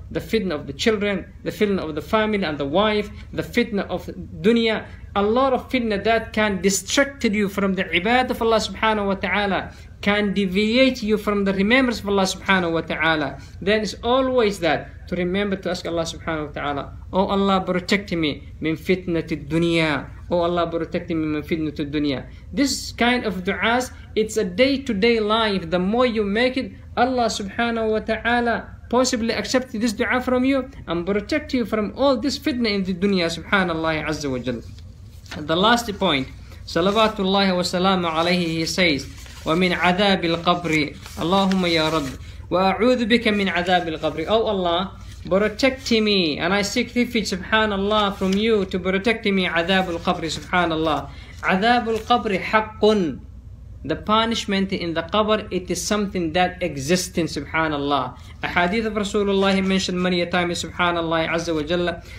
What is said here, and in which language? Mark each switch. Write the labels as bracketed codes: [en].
[en] the fitna of the children, the fitna of the family and the wife, the fitna of dunya, a lot of fitna that can distract you from the ibadah of Allah subhanahu wa ta'ala, can deviate you from the remembrance of Allah subhanahu wa ta'ala, then it's always that to remember to ask Allah subhanahu wa ta'ala, oh Allah, protect me [ar] min fitnati dunya. [en] Oh Allah, protect me [ar] min fitnati dunya. [en] This kind of du'as, it's a day-to-day life. The more you make it, Allah subhanahu wa ta'ala possibly accept this du'a from you and protect you from all this fitna in the dunya, subhanallah azza wa jal. The last point, salawatullahi wa salamu alayhi, he says, [ar] وَمِنْ عَذَابِ الْقَبْرِ اللَّهُمَّ يَا رَبِّ وَأَعُوذُ بِكَ مِنْ عَذَابِ الْقَبْرِ. [en] Oh Allah, protect me, and I seek refuge, subhanallah, from you to protect me, [ar] عَذَابُ الْقَبْرِ, [en] subhanallah. [ar] عَذَابُ الْقَبْرِ حَقٌّ. [en] The punishment in the qabr, it is something that exists in, subhanallah. A hadith of Rasulullah mentioned many a time, subhanallah, azza wa jalla.